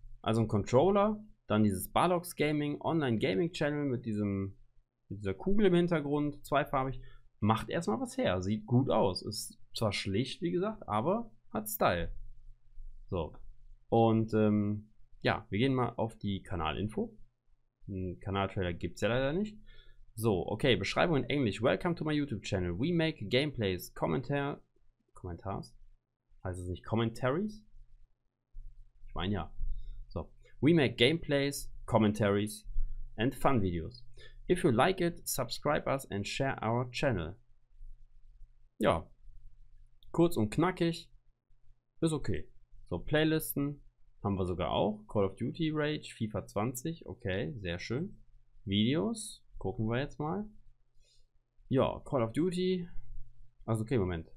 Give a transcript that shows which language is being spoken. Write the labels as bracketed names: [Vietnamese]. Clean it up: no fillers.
[German] Also ein Controller, dann dieses Balox Gaming Online Gaming Channel mit diesem, mit dieser Kugel im Hintergrund, zweifarbig, macht erstmal was her, sieht gut aus. Ist zwar schlicht, wie gesagt, aber hat Style. So, und ja, wir gehen mal auf die Kanalinfo. Einen Kanaltrailer gibt es ja leider nicht. So, okay, Beschreibung in Englisch. [English] Welcome to my YouTube Channel. We make Gameplays, [German] Kommentars? Heißt es nicht Commentaries? Ich meine ja. [English] So, we make Gameplays, Commentaries and Fun Videos. If you like it, subscribe us and share our channel. [German] Ja, kurz und knackig, ist okay. So, Playlisten haben wir sogar auch. Call of Duty Rage, FIFA 20, okay, sehr schön. Videos, gucken wir jetzt mal. Ja, Call of Duty, also okay, Moment.